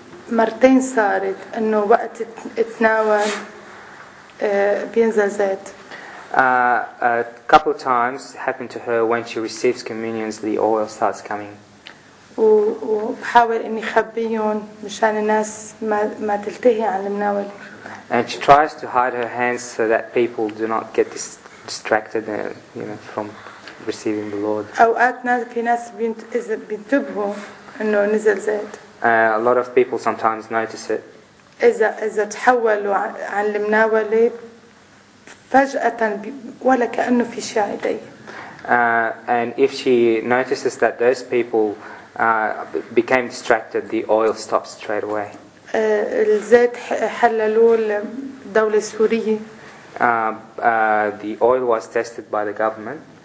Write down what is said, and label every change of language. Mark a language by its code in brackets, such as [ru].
[ar] مرتين صارت إنه وقت اتناول بينزل زيت. [en] A couple of times happened to her when she receives communions, the oil starts coming. [ar] وبحاول إني خبيهم مشان الناس ما تلتهي عن المناول. [en] And she tries to hide her hands so that people do not get distracted, you know, from receiving the Lord. [ar] أوقات ناس في ناس بينتبهوا إنه نزل زيت. [en] A lot of people sometimes notice it. [ar] إذا تحولوا عن المناولة فجأة ولا كأنه في شيء عادي. [en] And if she notices that those people became distracted, the oil stops straight away. [ar] الزيت حللوه الدولة السورية. [en] The oil was tested by the government.